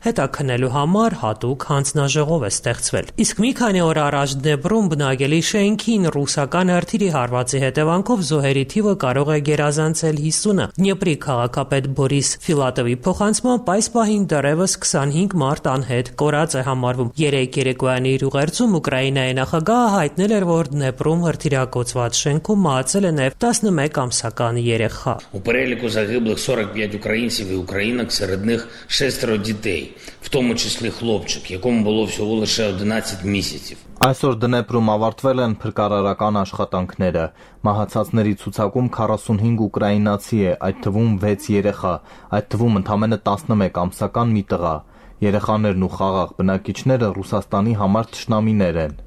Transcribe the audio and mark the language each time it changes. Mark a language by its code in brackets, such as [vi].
[hy] հետաքննելու համար հատուկ հանձնաժողով ստեղծվել։ Իսկ մի քանի օր առաջ Դնեպրում բնակելի շենքին ռուսական արթիրի հարվածի հետևանքով զոհերի թիվը կարող է գերազանցել 50-ը։ Դնեպրի քաղաքապետ Բորիս Ֆիլատովի փոխանցմամբ այս պահին դեռևս 25 մարդ անհետ կորած է համարվում։ 3 երեկոյանի իր ուղերձում Ուկրաինայի նախագահը հայտնել էր, որ Դնեպրում հրթիրակոծված շենքում մահացել է նաև 11 ամսական երեխա։ [uk] У переліку загиблих 45 українців і українок, серед них шестеро дітей, в тому числі хлопчик, якому було всього лише 11 місяців. [hy] Այսօր Դնեպրում ավարտվել են փրկարարական աշխատանքները։ Մահացածների ցուցակում 45 ուկրաինացի է, այդ թվում 6 երեխա, այդ թվում ընդամենը 11 ամսական մի տղա։ Երեխաներն ու խաղաղ բնակիչները Ռուսաստանի համար ճշնամիներ են։